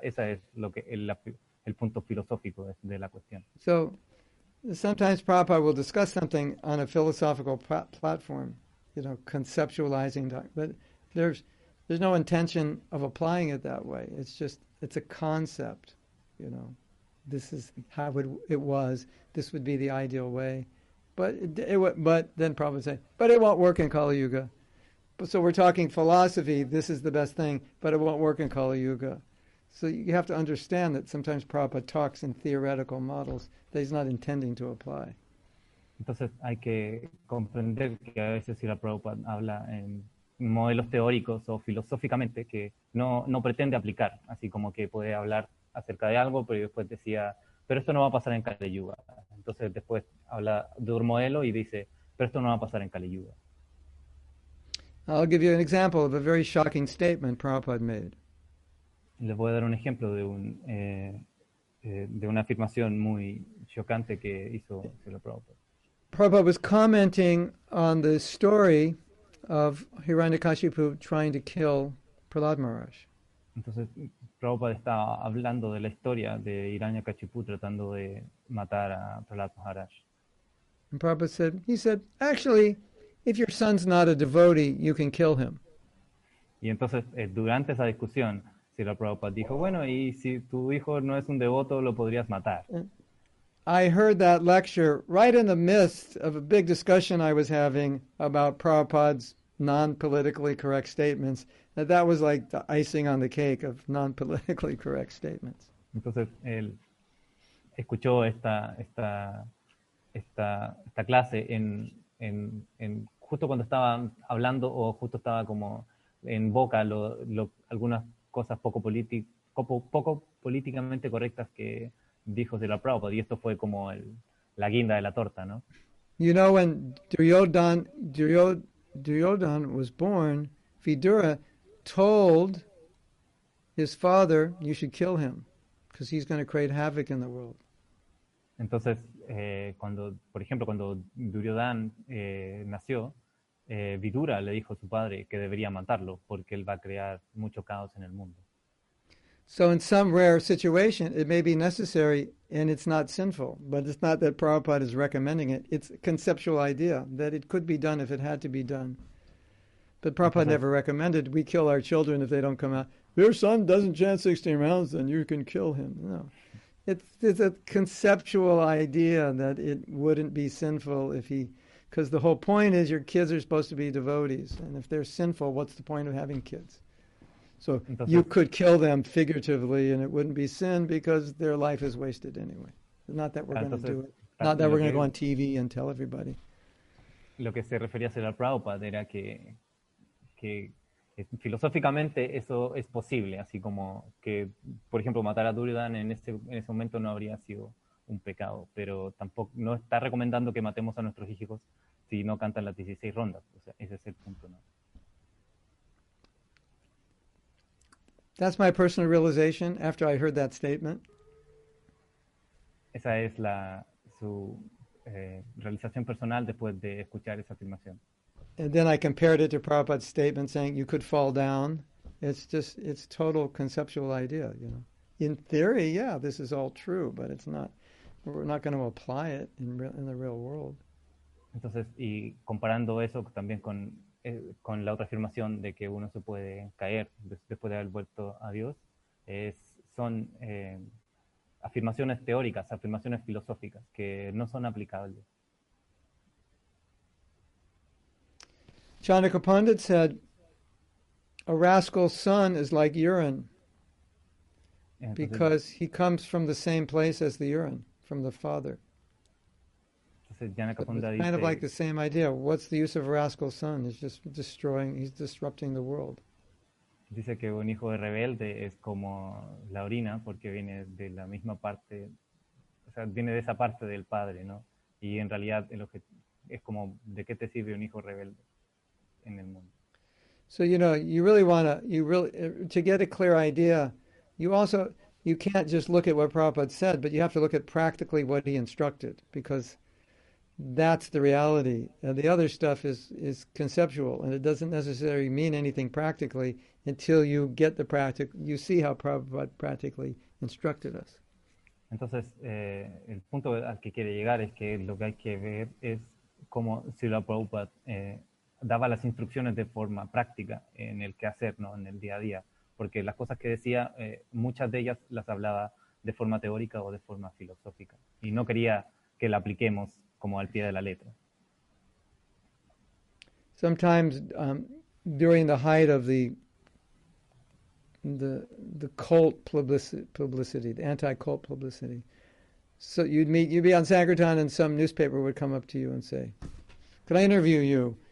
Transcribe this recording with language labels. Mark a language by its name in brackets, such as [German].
[Spanish] Esa es lo que el punto filosófico de la cuestión. [English] So, sometimes Prabhupada will discuss something on a philosophical platform, you know, conceptualizing that, but there's no intention of applying it that way. It's just, it's a concept, you know. This is how it was. This would be the ideal way. But then Prabhupada would say, but it won't work in Kali Yuga. So we're talking philosophy, this is the best thing, but it won't work in Kali Yuga. So you have to understand that sometimes Prabhupada talks in theoretical models that he's not intending to apply. [Spanish] Entonces hay que comprender que a veces si la Prabhupada habla en modelos teóricos o filosóficamente que no pretende aplicar, así como que puede hablar acerca de algo, pero después decía, pero esto no va a pasar en Kali Yuga. Entonces después habla de un modelo y dice, pero esto no va a pasar en Kali Yuga. [English] I'll give you an example of a very shocking statement Prabhupada made. [Spanish] Les voy a dar un ejemplo de una afirmación muy chocante que hizo Srila Prabhupada. [English] Prabhupada was commenting on the story of Hiranyakashipu trying to kill Prahlad Maharaj. [Spanish] Entonces, Prabhupada estaba hablando de la historia de Hiranyakashipu tratando de matar a Prahlad Maharaj. [English] And Prabhupada said, actually, if your son's not a devotee, you can kill him. [Spanish] Y entonces, durante esa discusión, Srila Prabhupada dijo, bueno, y si tu hijo no es un devoto, lo podrías matar. [English] I heard that lecture right in the midst of a big discussion I was having about Prabhupada's non-politically correct statements. That was like the icing on the cake of non-politically correct statements. [Spanish] Entonces, él escuchó esta clase en justo cuando estaban hablando o justo estaba como en boca algunas cosas poco políticamente correctas que dijo Srila Prabhupada, y esto fue como la guinda de la torta, ¿no? [English] You know, when Duryodhan was born, Vidura told his father, "You should kill him, because he's going to create havoc in the world." [Spanish] Entonces, cuando Duryodhan nació, Vidura le dijo a su padre que debería matarlo porque él va a crear mucho caos en el mundo. [English] So in some rare situation, it may be necessary, and it's not sinful. But it's not that Prabhupada is recommending it. It's a conceptual idea that it could be done if it had to be done. But Prabhupada never recommended we kill our children if they don't come out. If your son doesn't chant 16 rounds, then you can kill him. No, it's a conceptual idea that it wouldn't be sinful if he... Because the whole point is your kids are supposed to be devotees. And if they're sinful, what's the point of having kids? So [Spanish] entonces, [English] you could kill them figuratively and it wouldn't be sin because their life is wasted anyway. Not that we're going to do it. Not that we're going to go on TV and tell everybody. [Spanish] Lo que se refería a ser al Prabhupada era que filosóficamente eso es posible. Así como que, por ejemplo, matar a Duryodhana en ese momento no habría sido un pecado. Pero tampoco, no está recomendando que matemos a nuestros hijos si no cantan las 16 rondas. O sea, ese es el punto, ¿no? [English] That's my personal realization after I heard that statement. [Spanish] Esa es su realización personal después de escuchar esa afirmación. [English] And then I compared it to Prabhupada's statement saying you could fall down. It's total conceptual idea, you know. In theory, yeah, this is all true, but it's not. We're not going to apply it in the real world. [Spanish] Entonces, y comparando eso también con la otra afirmación de que uno se puede caer después de haber vuelto a Dios, son afirmaciones teóricas, afirmaciones filosóficas, que no son aplicables. [English] Chandaka Pandit said, "A rascal's son is like urine, because he comes from the same place as the urine, from the father." It's kind of like the same idea. What's the use of a rascal son? He's just destroying, he's disrupting the world. [Spanish] Dice que un hijo de rebelde es como la orina porque viene de la misma parte, o sea, viene de esa parte del padre, ¿no? Y en realidad es como, ¿de qué te sirve un hijo rebelde en el mundo? [English] So, you know, to get a clear idea, you can't just look at what Prabhupada said, but you have to look at practically what he instructed, because that's the reality. And the other stuff is conceptual, and it doesn't necessarily mean anything practically until you get the practical. You see how Prabhupada practically instructed us. [Spanish] Entonces, el punto al que quiere llegar es que lo que hay que ver es cómo Srila Prabhupada daba las instrucciones de forma práctica en el que hacer, ¿no? En el día a día. Porque las cosas que decía, muchas de ellas las hablaba de forma teórica o de forma filosófica. Y no quería que la apliquemos como al pie de la letra. [English] Sometimes, during the height of the cult publicity, the anti-cult publicity, so you'd be on Sankirtan and some newspaper would come up to you and say, "Could I interview you?